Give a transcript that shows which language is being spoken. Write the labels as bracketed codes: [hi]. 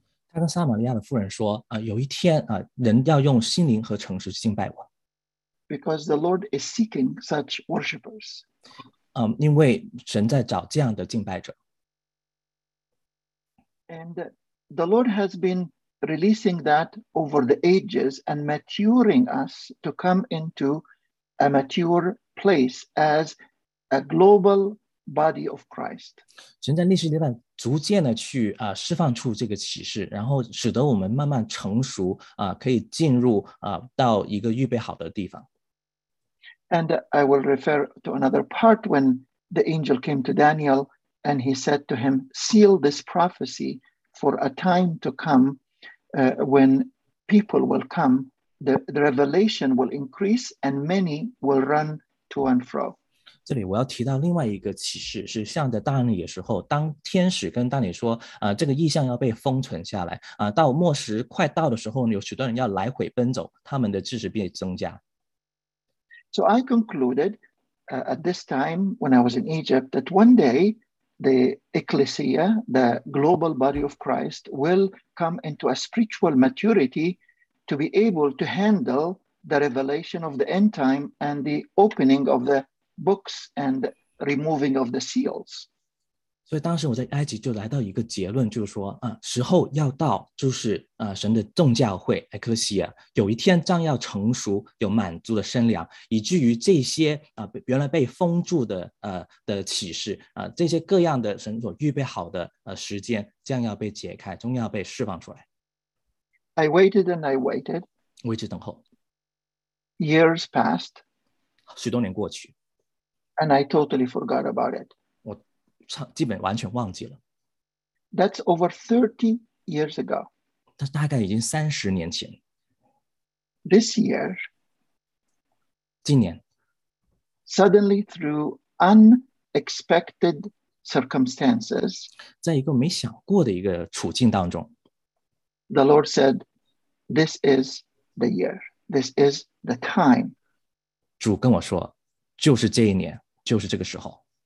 [zh] 他跟撒玛利亚的妇人说有一天人要用心灵和诚实敬拜我。 [en] Because the Lord is seeking such worshippers. [zh] 因为神在找这样的敬拜者。 [en] And the Lord has been releasing that over the ages and maturing us to come into a mature place as a global body of Christ. [zh] 神在历史阶段逐渐的去释放出这个启示，然后使得我们慢慢成熟可以进入到一个预备好的地方。 [en] And I will refer to another part when the angel came to Daniel. And he said to him, seal this prophecy for a time to come when people will come, the revelation will increase and many will run to and fro. [zh] 这里我要提到另外一个启示，是向着大能的时候，当天使跟大能说，这个异象要被封存下来，到末时快到的时候，有许多人要来回奔走，他们的知识便增加。 [en] So I concluded, at this time when I was in Egypt, that one day the ecclesia, the global body of Christ, will come into a spiritual maturity to be able to handle the revelation of the end time and the opening of the books and removing of the seals. [zh] 所以当时我在埃及就来到一个结论，就是说，时候要到，就是神的众教会 ecclesia 有一天将要成熟，有满足的身量，以至于这些原来被封住的启示这些各样的神所预备好的时间将要被解开，终要被释放出来。 [en] I waited and I waited. [zh] 我一直等候。 [en] Years passed. [zh] 许多年过去。 [en] And I totally forgot about it. [zh] 我基本完全忘记了。 [en] That's over 30 years ago. [zh] 这大概已经30年前。 [en] This year. [zh] 今年。 [en] Suddenly through unexpected circumstances. [zh] 在一个没想过的一个处境当中。 [en] The Lord said, this is the year, this is the time. [zh] 主跟我说，就是这一年，就是这个时候。